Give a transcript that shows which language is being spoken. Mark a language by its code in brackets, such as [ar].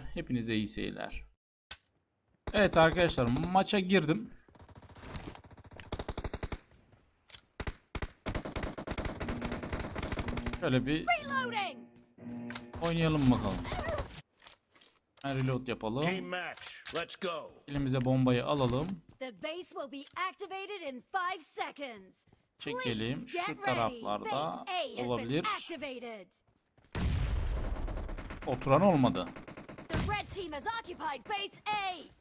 [tr] Hepinize iyi seyirler. Evet arkadaşlar, maça girdim. Şöyle bir oynayalım bakalım. Reload yapalım. [en] Team match. Let's go. [tr] Elimize bombayı alalım. [en] The base will be activated in 5 seconds. [tr] Çekelim. Şu taraflarda olabilir. Oturan olmadı. [en] The red team has occupied base A.